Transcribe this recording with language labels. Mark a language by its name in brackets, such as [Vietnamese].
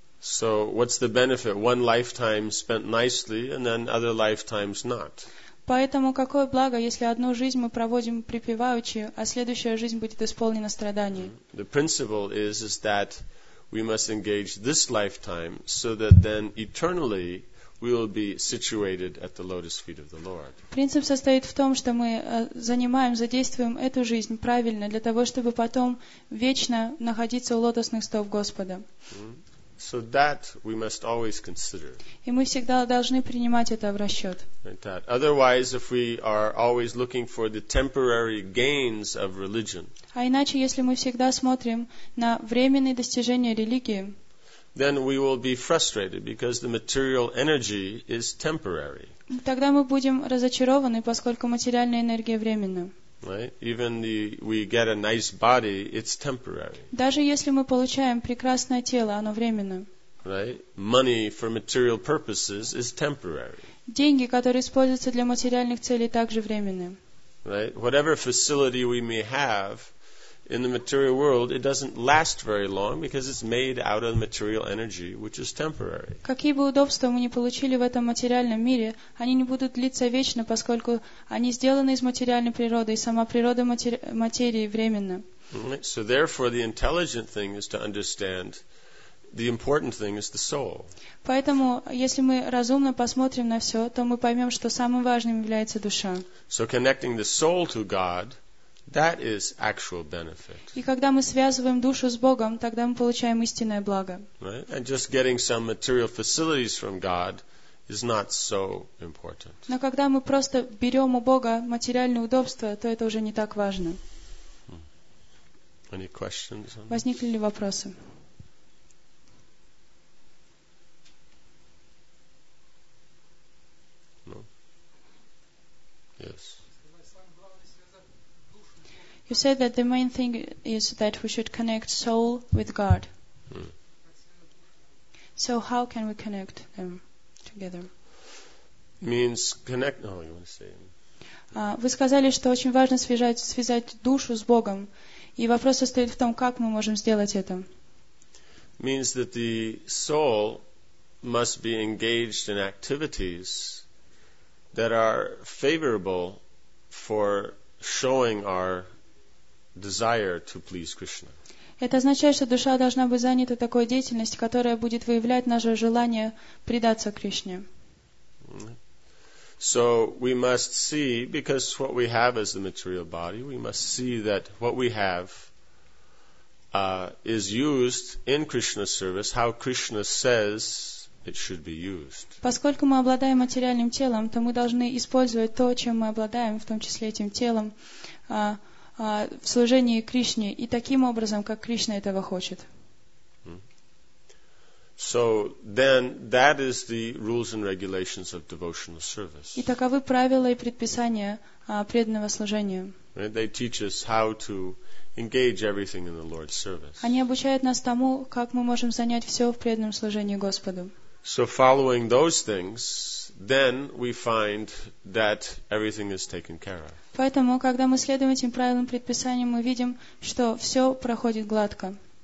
[English] So what's the benefit? One lifetime spent nicely, and then other lifetimes not. [Russian] Поэтому какое благо, если одну жизнь мы проводим припеваючи, а следующая жизнь будет исполнена страданий? [English] The principle is that we must engage this lifetime so that then eternally we will be situated at the lotus feet of the Lord. [Russian] Принцип состоит в том, что мы занимаем, задействуем эту жизнь правильно для того, чтобы потом вечно находиться у лотосных стоп Господа. [English] So that we must always consider. [Russian] И мы всегда должны принимать это в расчет. [English] Otherwise, if we are always looking for the temporary gains of religion, [Russian] а иначе, если мы всегда смотрим на временные достижения религии, [English] then we will be frustrated because the material energy is temporary. [Russian] Тогда мы будем разочарованы, поскольку материальная энергия временна. [English] Right? Even the we get a nice body, it's temporary. [Russian] Даже если мы получаем прекрасное тело, оно временное. [English] Right? Money for material purposes is temporary. [Russian] Деньги, которые используются для материальных целей, также временные. [English] Right? Whatever facility we may have in the material world, it doesn't last very long because it's made out of material energy, which is temporary. [Russian] Какие бы удобства мы ни получили в этом материальном мире, они не будут длиться вечно, поскольку они сделаны из материальной природы, и сама природа материи временна. [English] So therefore, the intelligent thing is to understand the important thing is the soul. [Russian] Поэтому, если мы разумно посмотрим на все, то мы поймем, что самым важным является душа. [English] So connecting the soul to God, that is actual benefit. [Russian] И когда мы связываем душу с Богом, тогда мы получаем истинное благо. [English] Right? And just getting some material facilities from God is not so important. [Russian] Но когда мы просто берем у Бога материальные удобства, то это уже не так важно. [English] Any questions? [Russian] Возникли ли вопросы? [English] No. Yes. You said that the main thing is that we should connect soul with God. So how can we connect them together? Means connect. Oh, you want to say? [Russian] Вы сказали, что очень важно связать душу с Богом, и вопрос состоит в том, как мы можем сделать это. [English] Means that the soul must be engaged in activities that are favorable for showing our desire to please Krishna. [Russian] Это означает, что душа должна быть занята такой деятельностью, которая будет выявлять наше желание предаться Кришне. [English] So we must see, because what we have is the material body, we must see that what we have is used in Krishna's service, how Krishna says it should be used. [Russian] Поскольку мы обладаем материальным телом, то мы должны использовать то, чем мы обладаем, в том числе этим телом, в служении Кришне и таким образом, как Кришна этого хочет. [English] So then that is the rules and regulations of devotional service. [Russian] И таковы правила и предписания преданного служения. [English] Right? They teach us how to engage everything in the Lord's service. [Russian] Они обучают нас тому, как мы можем занять все в преданном служении Господу. [English] So following those things, then we find that everything is taken care of. [Russian] Поэтому, когда мы следуем этим правилам предписаниям, мы видим, что все проходит гладко.